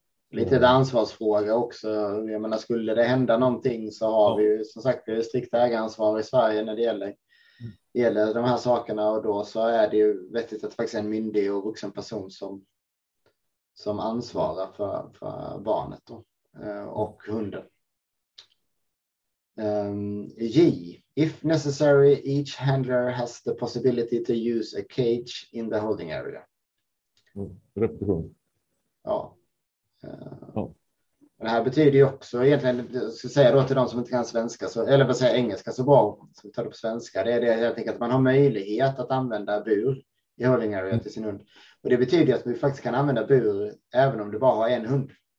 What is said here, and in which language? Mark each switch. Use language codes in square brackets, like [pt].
[sv] Lite ansvarsfråga också. Jag menar, skulle det hända någonting så har ja. Vi ju som sagt strikt ägaransvar i Sverige när det gäller de här sakerna. Och då så är det ju vettigt att faktiskt en myndig och vuxen person som ansvarar för barnet då, och hunden. J. [en] If necessary, each handler has the possibility to use a cage in the holding area. Repetition. [sv] Ja. Det här betyder ju också egentligen, jag ska säga då till de som inte kan svenska, så, eller vad säger engelska så bra, så tar det på svenska, det är det jag tänker att man har möjlighet att använda bur i holding area till sin hund. Och det betyder ju att vi faktiskt kan använda bur även om du bara har en hund.